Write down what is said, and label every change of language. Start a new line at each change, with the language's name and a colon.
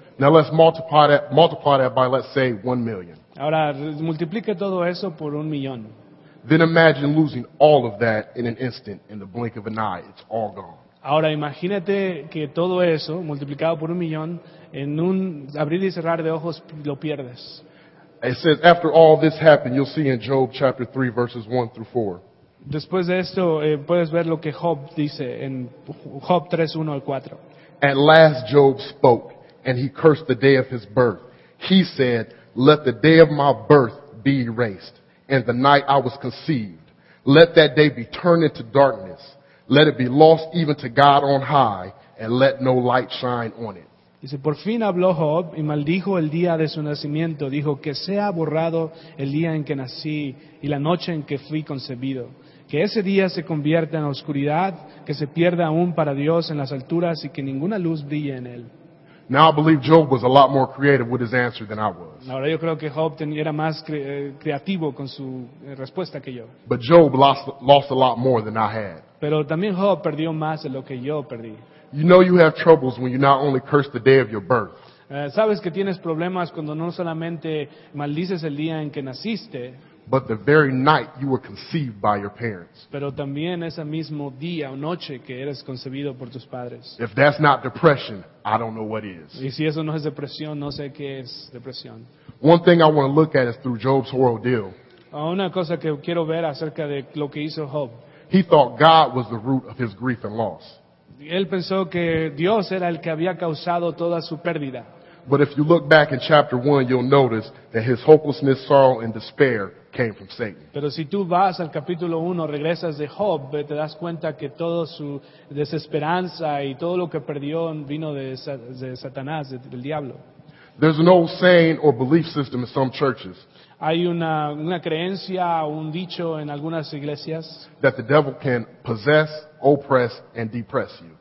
English: Now let's multiply that by, let's say, 1 million.
Spanish: Ahora multiplique todo eso por 1 million.
English: Then imagine losing all of that in an instant, in the blink of an eye. It's all gone.
Spanish: Ahora imagínate que todo eso, multiplicado por 1 million, en un abrir y cerrar de ojos, lo pierdes.
English: It says, after all this happened, you'll see in Job chapter 3, verses 1 through 4.
Spanish: Después de esto, puedes ver lo que Job dice en Job 3:1 al 4.
English: At last Job spoke, and he cursed the day of his birth. He said, let the day of my birth be erased, and the night I was conceived. Let that day be turned into darkness. Let it be lost even to God on high, and let no light shine on it.
Spanish: Dice, por fin habló Job, y maldijo el día de su nacimiento. Dijo, que sea borrado el día en que nací, y la noche en que fui concebido. Que ese día se convierta en oscuridad, que se pierda aún para Dios en las alturas y que ninguna luz brille en él.
English: Now I believe Job was a lot more creative with his answer than I was.
Spanish: Ahora yo creo que Job era más creativo con su respuesta que yo.
English: But Job lost a lot more than I had.
Spanish: Pero también Job perdió más de lo que yo perdí.
English: You know you have troubles when you not only curse the day of your birth.
Spanish: Sabes que tienes problemas cuando no solamente maldices el día en que naciste.
English: But the very night you were conceived by your parents.
Spanish: Pero también ese mismo día o noche que eres concebido por tus padres.
English: If that's not depression, I don't know what is.
Spanish: Y si eso no es depresión, no sé qué es depresión.
English: One thing I want to look at is through Job's whole deal.
Spanish: Una cosa que quiero ver acerca de lo que hizo Job.
English: He thought God was the root of his grief and loss.
Spanish: Él pensó que Dios era el que había causado toda su pérdida.
English: But if you look back in chapter 1, you'll notice that his hopelessness, sorrow, and despair came from Satan.
Spanish: Pero si tú vas al capítulo 1, regresas de Job, te das cuenta que toda su desesperanza y todo lo que perdió vino de Satanás, del diablo.
English: There's an old saying or belief system in some churches.
Spanish: Hay una creencia o un dicho en algunas iglesias.
English: That the devil can possess, oppress, and depress you.